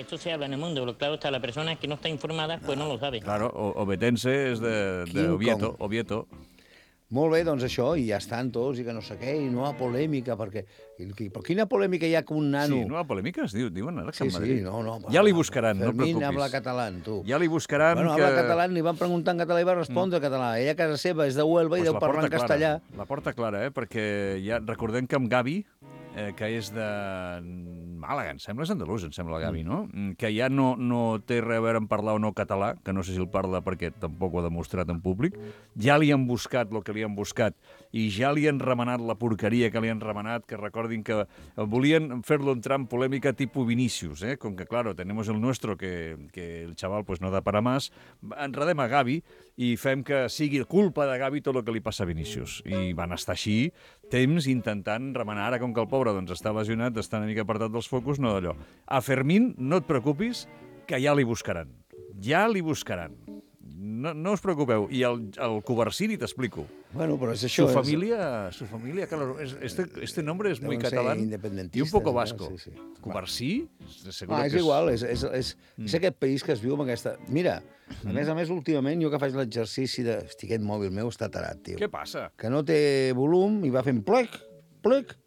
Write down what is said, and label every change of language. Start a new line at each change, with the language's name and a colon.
Spanish: Esto se habla en el mundo, pero claro, está la persona que no está informada, pues no lo sabe.
Catalan: Claro, obetense és d'Oviedo. Oviedo. Molt bé, doncs això, i ja estan tots, i que no sé què, i no hi ha polèmica, perquè... Però quina polèmica hi ha com un nano? Sí, no hi ha polèmica, es diuen ara, que sí,
Spanish: en Madrid.
Catalan: Sí, no. Ja li buscaran, Fermín, no preocupis. Fermín habla català, tu. Ja li buscaran bueno, que... Bueno, habla català, li van preguntar en català i va respondre català. Ella a casa seva és de Huelva pues i deu parlar en castellà. La porta clara, perquè ja recordem que amb Gavi, que és de Màlaga, em sembla, és andalús, em sembla, Gavi, no? Que ja no té res a veure amb parlar o no català, que no sé si el parla perquè tampoc ho ha demostrat en públic. Ja li han buscat el que li han buscat i ja li han remenat la porqueria que li han remenat, que recordin que volien fer-lo entrar en polèmica tipus Vinícius, eh? Com que,
Spanish: claro, tenemos el nuestro,
Catalan: que el xaval pues,
Spanish: no ha de parar más,
Catalan: enredem a Gavi i fem que sigui culpa de Gavi tot el que li passa a Vinícius. I van estar així temps intentant remenar, ara com que el pobre doncs, està lesionat, està una mica apartat dels focus, no d'allò. A Fermín, no et preocupis, que ja li buscaran. Ja li buscaran. No us preocupeu. I el Cobercini, t'explico. Bueno, però és això.
Spanish: Su família, claro, este nombre es muy catalán independentista, y un poco vasco. Sí. Cobercí?
Catalan: És igual, és aquest país que es viu amb aquesta... Mira, a més, últimament, jo que faig l'exercici de... Hosti, aquest mòbil meu està tarat, tio. Què passa? Que no té volum i va fent plec, plec.